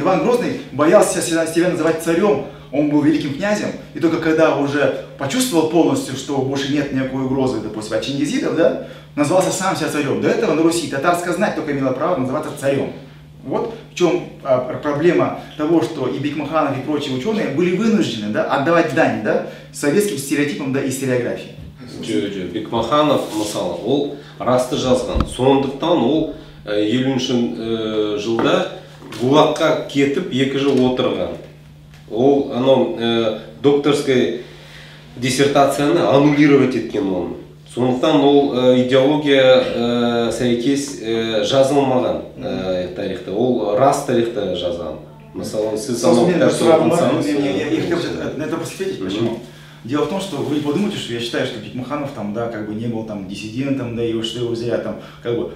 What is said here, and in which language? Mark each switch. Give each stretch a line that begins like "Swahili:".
Russian: Иван Грозный боялся себя называть царем, он был великим князем, и только когда уже почувствовал полностью, что больше нет никакой угрозы, допустим, от чингизидов, да? Назывался сам себя царем. До этого на Руси татарская знать только имела право называться царем. Вот в чем проблема того, что и Бекмаханов, и прочие ученые были вынуждены, да, отдавать дань, да, советским стереотипам, да, и стереографии.
Kazakh: Бекмаханов, мысал, ол расты жазған. Сондықтан ол 50-ші жылда ГУЛАГ-қа кетіп екі жыл отырған. Ол анау
Russian: докторской диссертацияны
Kazakh: аннулировать еткен он. Сондықтан ол идеология сәйкес жазылмаған тарихты, ол рас тарихты жазған. Мысалы, сіз анау кітапты оқысаңыз.
Russian: Я хотел на это просто ответить, почему? Дело в том, что вы не подумайте, что я считаю, что Бекмаханов там, да, как бы не был там диссидентом, да, его что-то взяли там, как бы.